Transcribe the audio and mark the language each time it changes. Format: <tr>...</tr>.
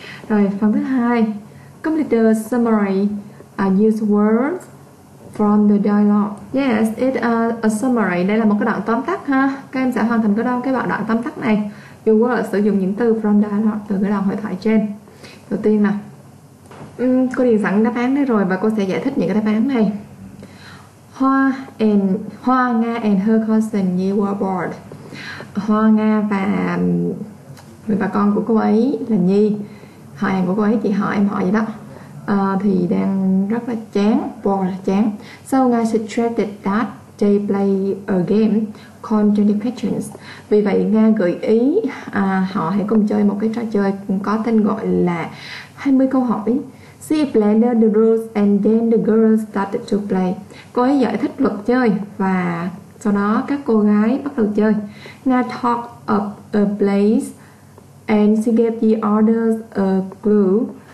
<vi>Rồi, phần thứ hai.</vi> <en>Complete the summary. Use words from the dialogue. Yes, it's a summary.</en> <vi>Đây là một cái đoạn tóm tắt ha. Các em sẽ hoàn thành cái đâu cái đoạn tóm tắt này.</vi> <en>You were</en> <vi>sử dụng những từ</vi> <en>from dialogue,</en> <vi>từ cái đoạn hội thoại trên. Đầu tiên nè, cô điền sẵn đáp án đấy rồi và cô sẽ giải thích những cái đáp án này.</vi> <en>Hoa Nga and her cousin, you were bored.</en> <vi>Hoa Nga và người bà con của cô ấy là Nhi, họ hàng của cô ấy, chị họ em họ gì đó, thì đang rất là chán, bored, chán.</vi> <en>So Nga suggested that they play a game called 20 questions.</en> <vi>Vì vậy Nga gợi ý họ hãy cùng chơi một cái trò chơi có tên gọi là 20 câu hỏi.</vi> <en>She explained the rules and then the girls started to play.</en> <vi>Cô ấy giải thích luật chơi và sau đó các cô gái bắt đầu chơi.</vi> <en>Nga talked up a place and she gave the others a clue.</en>